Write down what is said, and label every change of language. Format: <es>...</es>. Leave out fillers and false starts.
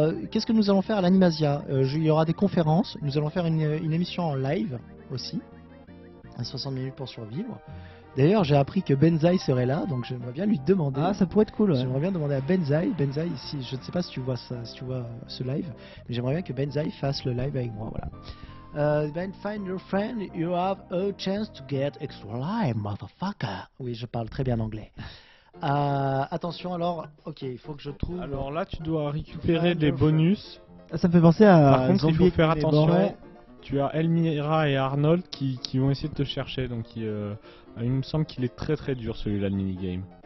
<fr>Qu'est-ce que nous allons faire à l'Animasia? Il y aura des conférences. Nous allons faire une émission en live aussi. À 60 minutes pour survivre. D'ailleurs, j'ai appris que Benzaï serait là, donc j'aimerais bien lui demander. Ah, ça pourrait être cool. Ouais. J'aimerais bien demander à Benzaï. Benzaï, si, je ne sais pas si tu vois ça, si tu vois ce live, mais j'aimerais bien que Benzaï fasse le live avec moi. Voilà.</fr> <en>Ben, find your friend, you have a chance to get extra live, motherfucker.</en> <fr>Oui, je parle très bien anglais. Attention, alors, ok, il faut que je trouve. Alors là, tu dois récupérer des bonus. Ça me fait penser à. Par contre, il faut faire attention. Tu as Elmira et Arnold qui vont essayer de te chercher, donc il me semble qu'il est très très dur celui-là de minigame.</fr>